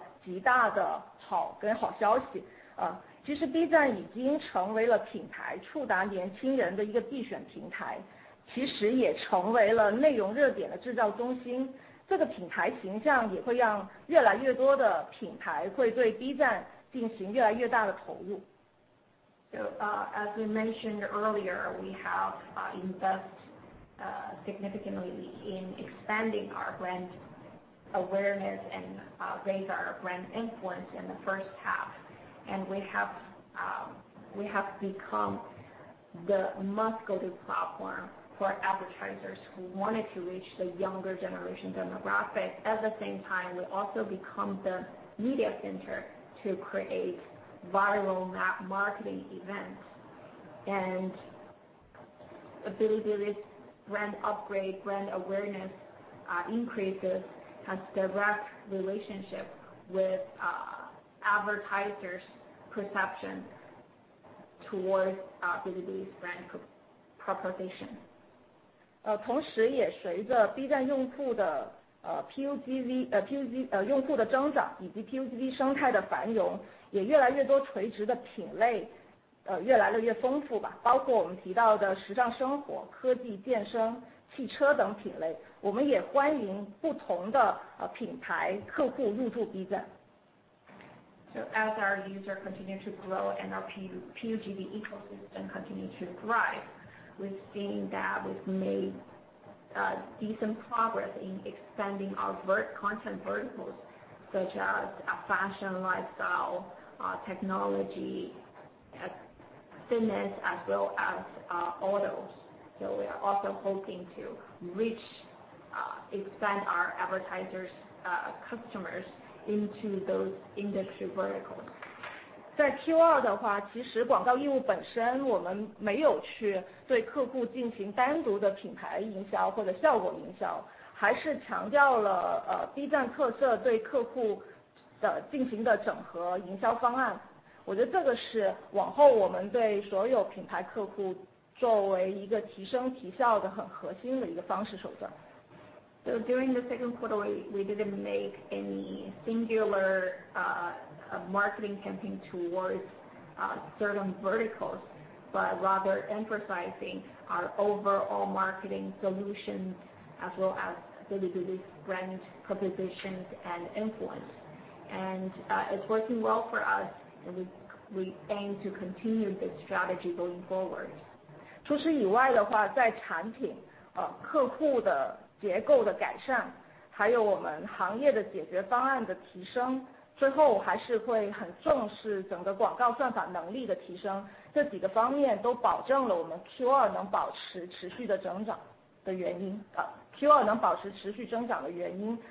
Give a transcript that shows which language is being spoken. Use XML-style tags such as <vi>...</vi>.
<zh>刚才也反复提到我们的品牌升级，包括用户增长，这一些其实对于广告都是一个极大的好消息。其实 B 站已经成为了品牌触达年轻人的一个必选平台，其实也成为了内容热点的制造中心。这个品牌形象也会让越来越多的品牌会对 B 站进行越来越大的投入。</zh> <en>So as we mentioned earlier, we have invested significantly in expanding our brand awareness and raise our brand influence in the first half, and we have become the must-go-to platform for advertisers who wanted to reach the younger generation demographic. At the same time, we also become the media center to create viral marketing events. And Bilibili's brand upgrade, brand awareness increases has direct relationship with advertisers' perception towards Bilibili's brand proposition.</en> <zh>同时也随着 B 站用户的用户的增长以及 PUGV 生态的繁荣，也越来越多垂直的品类越来越丰富吧，包括我们提到的时尚生活、科技、健身、汽车等品类，我们也欢迎不同的品牌客户入驻 B 站。</zh> <en>So as our user continue to grow and our PUGV ecosystem continue to thrive, we've seen that we've made decent progress in expanding our content verticals such as fashion, lifestyle, technology, fitness, as well as autos. So we are also hoping to reach, expand our advertisers' customers into those industry verticals.</en> <zh>在 Q2 的话，其实广告业务本身我们没有去对客户进行单独的品牌营销或者效果营销，还是强调了B 站特色对客户的进行的整合营销方案。我觉得这个是往后我们对所有品牌客户作为一个提升提效的很核心的一个方式手段。</zh> <en>So during the second quarter, we didn't make any singular marketing campaign towards certain verticals, but rather emphasizing our overall marketing solutions as well as Bilibili's brand propositions and influence. And it's working well for us, and we aim to continue this strategy going forward.</en> <zh>除此以外的话，在产品客户的结构的改善，还有我们行业的解决方案的提升，最后还是会很重视整个广告算法能力的提升，这几个方面都保证了我们 Q2 能保持持续的增长的原因Q2 能保持持续增长的原因。</zh>